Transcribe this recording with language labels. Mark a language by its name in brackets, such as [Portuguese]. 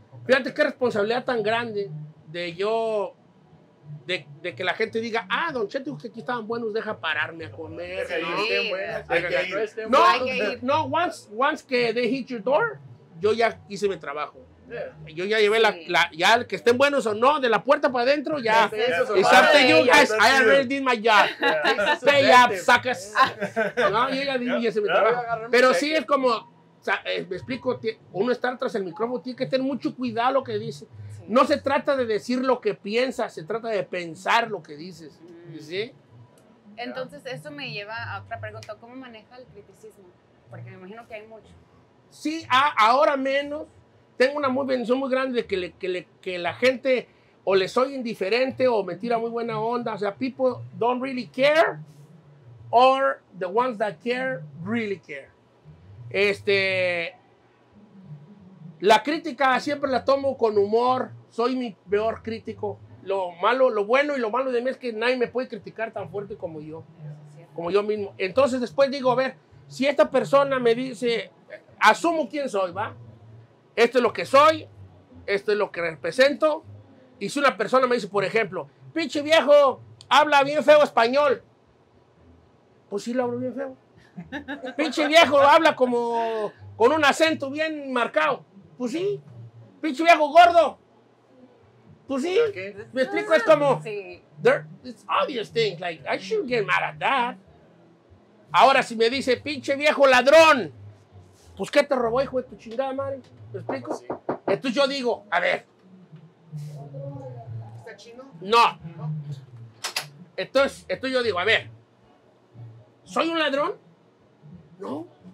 [Spanish] Fíjate qué responsabilidad tan grande de yo, de que la gente diga, ah, Don Cheto, que aquí estaban buenos, deja pararme a comer. Sí, no, sí, no, que no, no, once que [English] they hit your door, [Spanish] yo ya hice mi trabajo. [English] Yeah. [Spanish] Yo ya llevé la ya que estén buenos o no, de la puerta para adentro, ya. [English] It's up to you guys, I already did my job. Stay up, suckers. [Spanish] No, yo ya di mi trabajo. Pero sí es como, o sea, me explico, uno estar tras el micrófono tiene que tener mucho cuidado lo que dice. Sí. No se trata de decir lo que piensas, se trata de pensar lo que dices. ¿Sí? Entonces, eso me lleva a otra pregunta. ¿Cómo maneja el criticismo? Porque me imagino que hay mucho. Sí, ahora menos. Tengo una muy bendición muy grande de que la gente o le soy indiferente o me tira muy buena onda. O sea, [English] people don't really care or the ones that care really care. [Spanish] Este, la crítica siempre la tomo con humor. Soy mi peor crítico. Lo malo, lo bueno y lo malo de mí es que nadie me puede criticar tan fuerte como yo. Como yo mismo. Entonces después digo, a ver, si esta persona me dice, asumo quién soy, ¿va? Esto es lo que soy, esto es lo que represento. Y si una persona me dice, por ejemplo, pinche viejo, habla bien feo español. Pues sí, lo hablo bien feo. Pinche viejo, habla como con un acento bien marcado. Pues sí. Pinche viejo, gordo. Pues sí. [English] Okay. [Spanish] Me explico, es como, [English] it's obvious things, like, I shouldn't get mad at that. [Spanish] Ahora, si me dice, pinche viejo ladrón, pues ¿qué te robó, hijo de tu chingada madre? ¿Me explico? Sí. Entonces yo digo, a ver. ¿Está chino? No. Entonces yo digo, a ver. ¿Soy un ladrón? No.